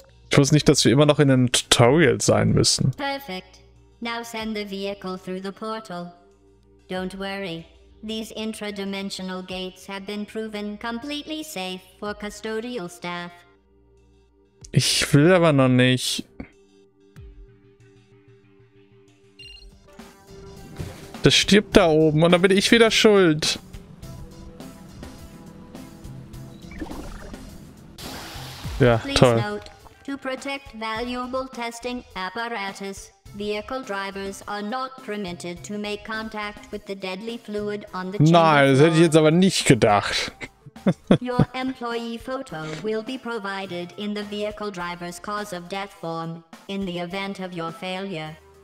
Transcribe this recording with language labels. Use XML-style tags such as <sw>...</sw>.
<de>Ich wusste nicht, dass wir immer noch in einem Tutorial sein müssen.</de> <en>Perfect. Now send the vehicle through the portal. Don't worry. These intradimensional gates have been proven completely safe for custodial staff.</en> <de>Ich will aber noch nicht. Das stirbt da oben und dann bin ich wieder schuld. Ja, toll.</de> <en>Please note. To protect valuable testing apparatus, vehicle drivers are not permitted to make contact with the deadly fluid on the chamber floor.</en> <de>Nein, das hätte ich jetzt aber nicht gedacht.</de> <en>Your employee photo will be provided in the vehicle driver's cause of death form in the event of your failure.</en>